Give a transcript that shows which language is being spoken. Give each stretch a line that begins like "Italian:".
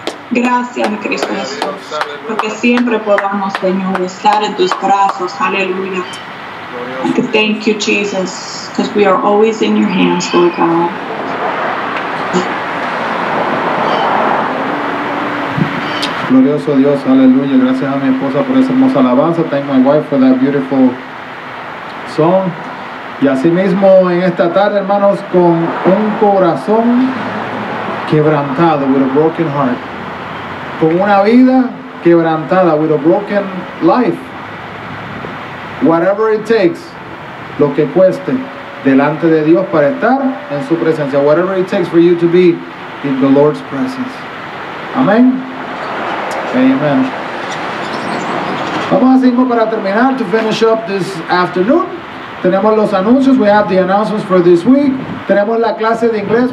Spanish: Gracias, mi Cristo Jesús, porque siempre podamos, Señor, estar en tus brazos, aleluya.
English: Thank you, Jesus, because we are always in your hands, Lord God.
Spanish: Glorioso Dios, aleluya. Gracias a mi esposa por esa hermosa alabanza.
English: Thank my wife for that beautiful song.
Spanish: Y asimismo en esta tarde, hermanos, con un corazón quebrantado,
English: with a broken heart.
Spanish: Con una vida quebrantada,
English: with a broken life. Whatever it takes,
Spanish: lo que cueste delante de Dios para estar en su presencia.
English: Whatever it takes for you to be in the Lord's presence.
Spanish: Amén. Amen. Vamos a seguir para terminar,
English: to finish up this afternoon.
Spanish: Tenemos los anuncios.
English: We have the announcements for this week.
Spanish: Tenemos la clase de inglés.